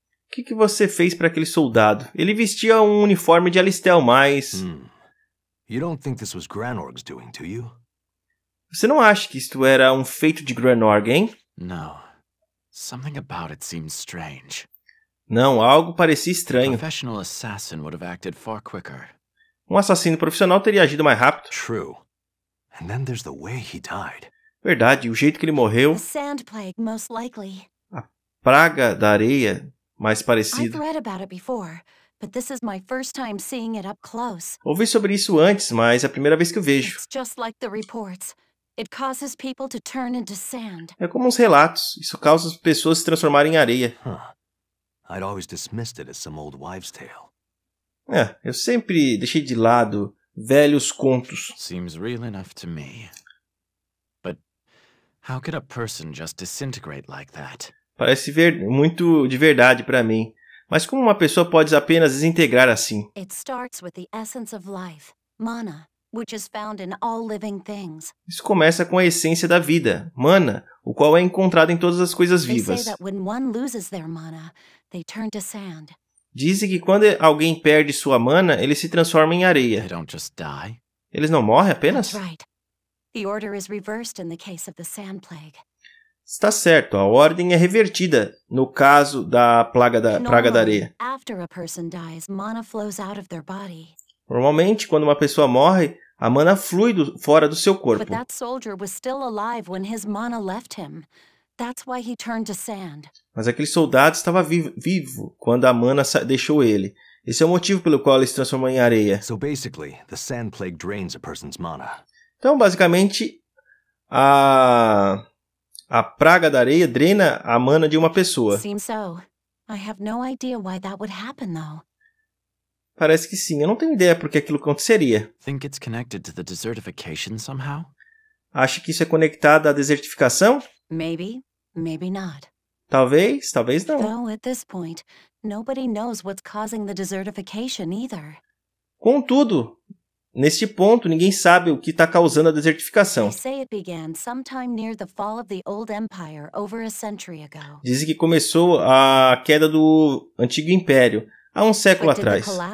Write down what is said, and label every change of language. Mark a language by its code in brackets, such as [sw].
[pt] O que, que você fez para aquele soldado? Ele vestia um uniforme de Alistair, mas... [en] You don't think this was Granorg's doing, do you? [pt] Você não acha que isto era um feito de Granorg, hein? [en] No. Something about it seems strange. [pt] Não, algo parecia estranho. [en] A professional assassin would have acted far quicker. [pt] Um assassino profissional teria agido mais rápido. [en] True. And then there's the way he died. [pt] Verdade, o jeito que ele morreu. [en] A sand plague, most likely. [pt] A praga da areia, mais parecido. [en] I've read about it before, but this is my first time seeing it up close. [pt] Ouvi sobre isso antes, mas é a primeira vez que eu vejo. [en] It's just like the reports. It causes people to turn into sand. [pt] É como uns relatos. Isso causa as pessoas se transformarem em areia. [en] Huh. I'd always dismissed it as some old wives' tale. [pt] É, eu sempre deixei de lado velhos contos. [en] Seems real enough to me. But how could a person just disintegrate like that? [pt] Parece muito de verdade para mim. Mas como uma pessoa pode apenas desintegrar assim? [en] It starts with the essence of life, mana. Which is found in all living things. [pt] Isso começa com a essência da vida, mana, o qual é encontrado em todas as coisas vivas. [en] They say that when one loses their mana, they turn to sand. [pt] Dizem que quando alguém perde sua mana, ele se transforma em areia. [en] They don't just die. [pt] Eles não morrem apenas? [en] That's right. The order is reversed in the case of the sand plague. [pt] Está certo, a ordem é revertida no caso da praga da areia. [en] Normally, after a person dies, mana flows out of their body. [pt] Normalmente, quando uma pessoa morre, a mana flui fora do seu corpo. [en] But that soldier was still alive when his mana left him. That's why he turned to sand. [pt] Mas aquele soldado estava vivo quando a mana deixou ele. Esse é o motivo pelo qual ele se transformou em areia. [en] So basically, the sand plague drains a person's mana. [pt] Então, basicamente, a praga da areia drena a mana de uma pessoa. [en] Seems so. I have no idea why that would happen, though. [pt] Parece que sim. Eu não tenho ideia porque aquilo aconteceria. [en] Think it's connected to the desertification somehow? [pt] Acho que isso é conectado à desertificação? [en] Maybe, maybe not. [pt] Talvez, talvez não. [en] Though at this point, nobody knows what's causing the desertification either. [pt] Contudo, neste ponto, ninguém sabe o que está causando a desertificação. [en] They say it began sometime near the fall of the old empire over a century ago. [pt] Dizem que começou a queda do antigo império. Há um século atrás.